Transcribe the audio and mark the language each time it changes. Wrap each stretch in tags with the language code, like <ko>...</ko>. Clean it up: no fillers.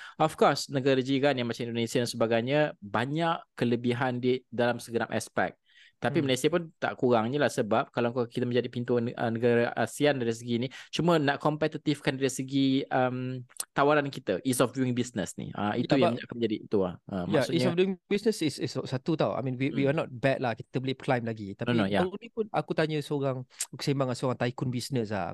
<en>Of course,</en> <ms>negara jiran yang macam Indonesia dan sebagainya, banyak kelebihan di dalam segenap aspek. Tapi Malaysia pun tak kurangnya lah, sebab kalau kita menjadi pintu negara ASEAN dari segi ni, cuma nak kompetitifkan dari segi tawaran kita, ease of doing business ni. Itu yang akan menjadi itu lah. Maksudnya, ease of doing business is satu tau.</ms> <en>I mean, we are not bad lah.</en> <ms>Kita boleh climb lagi. Tapi ini pun aku tanya seorang, aku sembang dengan seorang tycoon business lah.</ms>